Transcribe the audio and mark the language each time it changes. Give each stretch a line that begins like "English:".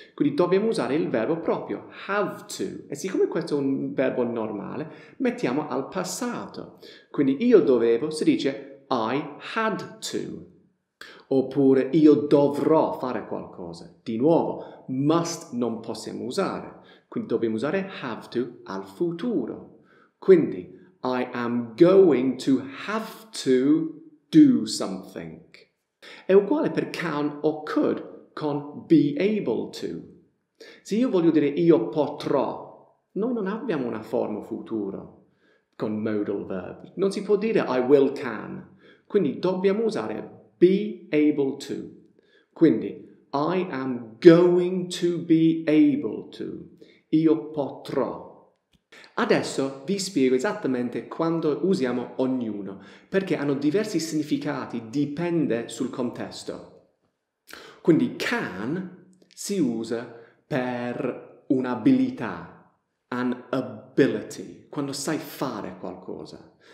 Italian: Quindi dobbiamo usare il verbo proprio,
English: have to.
Italian: E siccome questo è un verbo normale, mettiamo al passato. Quindi io dovevo si dice
English: I had to.
Italian: Oppure io dovrò fare qualcosa. Di nuovo, must non possiamo usare. Quindi dobbiamo usare
English: have to
Italian: al futuro.
English: Quindi I am going to have to do something.
Italian: È uguale per can o could con
English: be able to.
Italian: Se io voglio dire io potrò, noi non abbiamo una forma futura con
English: modal verb.
Italian: Non si può dire
English: I will can.
Italian: Quindi dobbiamo usare
English: be able to. Quindi I am going to be able to.
Italian: Io potrò. Adesso vi spiego esattamente quando usiamo ognuno, perché hanno diversi significati, dipende sul contesto. Quindi can si usa per un'abilità,
English: an ability,
Italian: quando sai fare qualcosa.